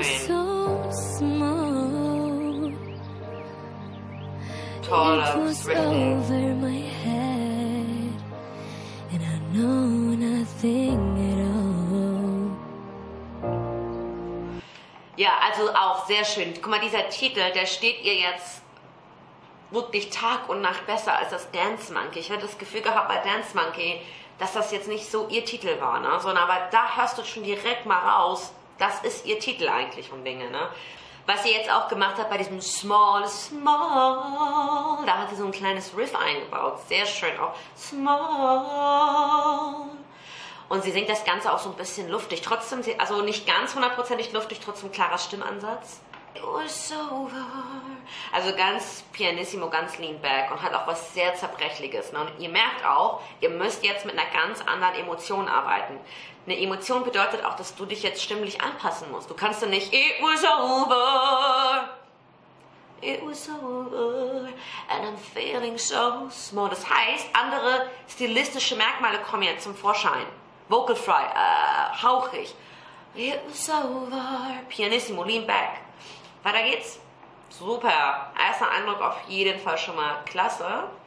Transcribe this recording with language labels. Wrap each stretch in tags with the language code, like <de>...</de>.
<en>It was over my head, and I know nothing at all.</en> <de>Ja, also auch sehr schön. Guck mal, dieser Titel, der steht ihr jetzt wirklich Tag und Nacht besser als das Dance Monkey. Ich hatte das Gefühl gehabt bei Dance Monkey, dass das jetzt nicht so ihr Titel war, ne? Sondern aber da hörst du schon direkt mal raus, das ist ihr Titel eigentlich vom Dinge, ne? Was sie jetzt auch gemacht hat bei diesem Small, Small, da hat sie so ein kleines Riff eingebaut, sehr schön auch, Small. Und sie singt das Ganze auch so ein bisschen luftig, trotzdem, also nicht ganz hundertprozentig luftig, trotzdem klarer Stimmansatz.</de> <en>It was over.</en> <de>Also ganz pianissimo, ganz lean back und hat auch was sehr Zerbrechliches. Ne? Und ihr merkt auch, ihr müsst jetzt mit einer ganz anderen Emotion arbeiten. Eine Emotion bedeutet auch, dass du dich jetzt stimmlich anpassen musst. Du kannst dann nicht,</de> <en>it was over, it was over, and I'm feeling so small.</en> <de>Das heißt, andere stilistische Merkmale kommen jetzt zum Vorschein. Vocal fry, hauchig.</de> <en>It was over,</en> <de>pianissimo, lean back. Weiter geht's. Super. Erster Eindruck auf jeden Fall schon mal klasse.</de>